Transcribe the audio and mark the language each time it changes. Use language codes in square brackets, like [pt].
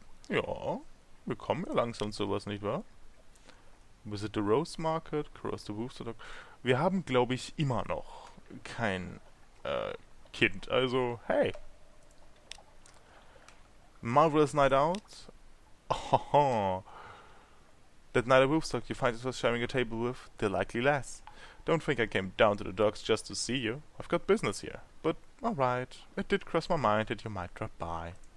[de] Ooh. Ja, wir kommen ja langsam zu was, nicht wahr? [en] Visit the Rose Market, cross the Wolf's Dock. [de] Wir haben, glaube ich, immer noch kein Kind. Also, hey. [en] Marvelous night out. Oh, that night at Wolf's Dock, you find yourself sharing a table with the likely lass. Don't think I came down to the docks just to see you. I've got business here. But, alright, it did cross my mind that you might drop by.